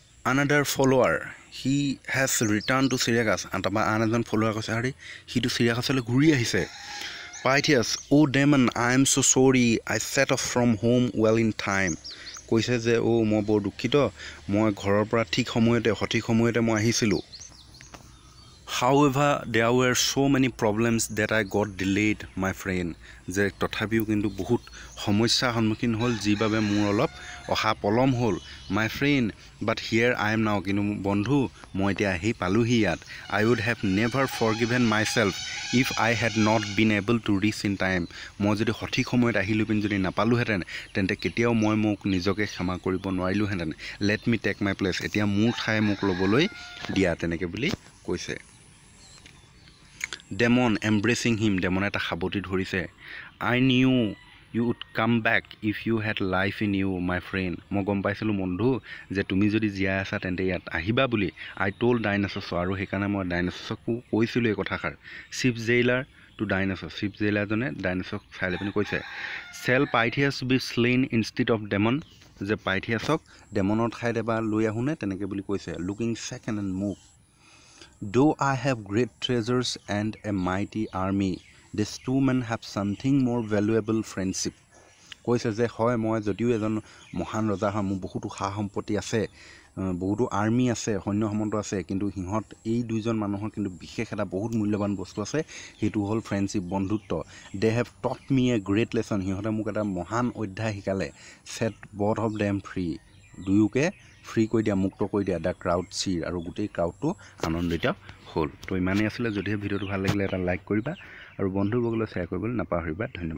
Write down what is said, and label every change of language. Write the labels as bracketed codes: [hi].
[en] another follower, he has return to Syracuse, [as] তাৰপৰা আন এজন ফলোৱাৰ কৈছে আৰে সিটো চিৰিয়াকাছলৈ ঘূৰি আহিছে. [en] Pythias, oh' Damon, I am so' sorry, I set off from home well in time, [as] কৈছে যে অ' মই বৰ দুঃখিত, মই ঘৰৰ পৰা ঠিক সময়তে সঠিক সময়তে মই আহিছিলোঁ. [en] However, there were so many problems that I got delayed, my friend. [as] যে তথাপিও কিন্তু বহুত সমস্যাৰ সন্মুখীন হ'ল যিবাবে মোৰ অলপ অহা পলম হ'ল. [en] my friend but here I am now, [as] কিন্তু বন্ধু মই এতিয়া আহি পালোহি ইয়াত. [en] I would have never forgiven myself If I had not been able to reach in time, [as] মই যদি সঠিক সময়ত আহিলোপিন যদি নাপালোহেঁতেন তেন্তে কেতিয়াও মই মোক নিজকে ক্ষমা কৰিব নোৱাৰিলোহেঁতেন. [en] Let me take my place. [as] এতিয়া মোৰ ঠাই মোক ল'বলৈ দিয়া তেনেকৈ বুলি কৈছে. [en] Damon embracing him, [as] Damon এটা সাৱটি ধৰিছে. [en] I knew you would come back if you had life in you, my friend. [as] মই গম পাইছিলোঁ বন্ধু যে তুমি যদি জীয়াই আছা তেন্তে ইয়াত আহিবা বুলি. [en] I told dinosaurs, [as] আৰু সেইকাৰণে মই ডাইনছৰকো কৈছিলোঁ এই কথাষাৰ. [en] Chief jailer to dinosaur. [as] Chief jailerজনে ডাইনছৰক চাই লৈ পিনি কৈছে, [en] Shall Pythias be slain instead of Damon? [as] যে পাইথিয়াছক ডেমনৰ ঠাইত এবাৰ লৈ আহোঁনে তেনেকৈ বুলি কৈছে. [en] Looking second and move. Though I have great treasures and a mighty army, these two men have something more valuable friendship. [as] কৈছে যে হয় মই যদিও এজন মহান ৰজা হয় মোৰ বহুতো সা সম্পত্তি আছে বহুতো আৰ্মি আছে সৈন্য সামন্ত আছে কিন্তু সিহঁত এই দুজন মানুহৰ কিন্তু বিশেষ এটা বহুত মূল্যৱান বস্তু আছে সেইটো হ'ল ফ্ৰেণ্ডশ্বিপ বন্ধুত্ব [en] they have taught me a great lesson [as] সিহঁতে মোক এটা মহান অধ্যায় শিকালে [en] set both of them free [as] দুয়োকে ফ্ৰী কৰি দিয়া মুক্ত কৰি দিয়া [en] the crowd cheer [as] আৰু গোটেই ক্ৰাউডটো আনন্দিত হ'ল তো ইমানেই আছিলে যদিহে ভিডিঅ'টো ভাল লাগিলে এটা লাইক কৰিবা আৰু বন্ধুবৰ্গলৈ শ্বেয়াৰ কৰিবলৈ নাপাহৰিবা ধন্যবাদ